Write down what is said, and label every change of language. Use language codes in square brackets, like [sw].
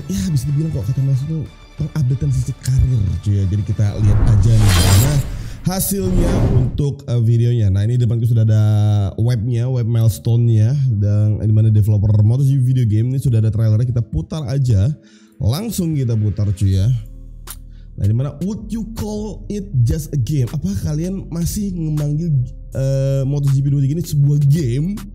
[id] Ya bisa dibilang kok kata Mas itu pengupdatean sisi karir cuy ya. Jadi kita lihat aja nih gimana hasilnya untuk videonya. Nah, ini depanku sudah ada webnya, web milestone-nya, dan di mana developer MotoGP video game ini sudah ada trailernya. Kita putar aja, langsung kita putar cuy ya. Nah, di mana [en] would you call it just a game? [id] Apa kalian masih memanggil MotoGP 23 ini sebuah game?